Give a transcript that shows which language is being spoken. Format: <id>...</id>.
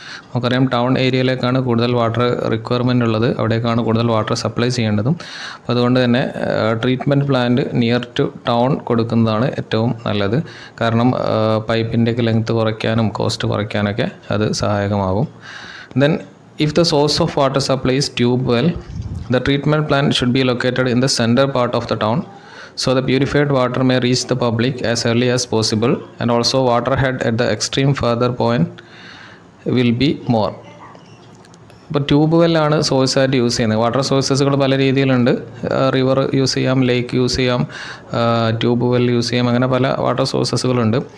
<ml>നമുക്കറിയാം ടൗൺ ഏരിയയിലേക്കാണ് കൂടുതൽ water requirement ഉള്ളത്, അവിടേക്കാണ് കൂടുതൽ വാട്ടർ സപ്ലൈ ചെയ്യേണ്ടതും. അപ്പോൾ അതുകൊണ്ട് തന്നെ treatment plant near to town കൊടുക്കുന്നതാണ് ഏറ്റവും നല്ലത്. കാരണം പൈപ്പിൻ്റെയൊക്കെ ലെങ്ത് കുറയ്ക്കാനും കോസ്റ്റ് കുറയ്ക്കാനൊക്കെ അത് സഹായകമാകും.</ml> <en>Then if the source of water supply is tube well, The treatment plant should be located in the center part of the town, so the purified water may reach the public as early as possible, and also water head at the extreme further point will be more.</en> <ml>ഇപ്പോൾ tube വെല്ലാണ് source ആയിട്ട് use ചെയ്യുന്നത്. Water സോഴ്സസുകൾ പല രീതിയിലുണ്ട്. River use ചെയ്യാം, ലേക്ക് use ചെയ്യാം, tube well use ചെയ്യാം, അങ്ങനെ പല വാട്ടർ സോഴ്സസുകളുണ്ട്.</ml>